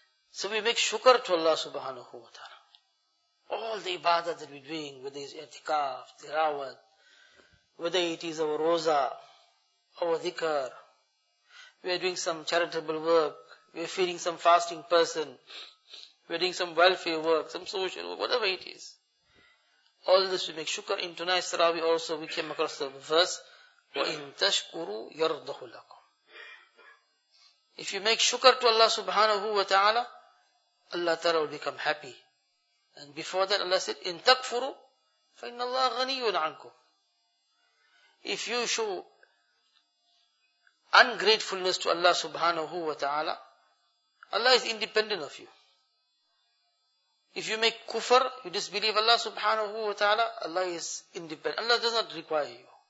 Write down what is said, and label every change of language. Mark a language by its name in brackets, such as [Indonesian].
[English] So we make shukr to Allah subhanahu wa ta'ala. All the ibadat that we're doing, whether it's i'tikaf, tirawat, whether it is our roza, our dhikr, we're doing some charitable work, we're feeding some fasting person, we're doing some welfare work, some social work, whatever it is. All this we make shukr. In tonight's tarawih also we came across the verse, [Arabic] وَإِن تَشْكُرُوا يَرْضَهُ لَكُمْ. [English] If you make shukr to Allah subhanahu wa ta'ala, Allah ta'ala will become happy. And before that Allah said, [Arabic] إِن تَكْفُرُوا فَإِنَّ اللَّهَ غَنِيٌّ عَنْكُمْ. [English] If you show ungratefulness to Allah subhanahu wa ta'ala, Allah is independent of you. If you make kufr, you disbelieve Allah subhanahu wa ta'ala, Allah is independent. Allah does not require you.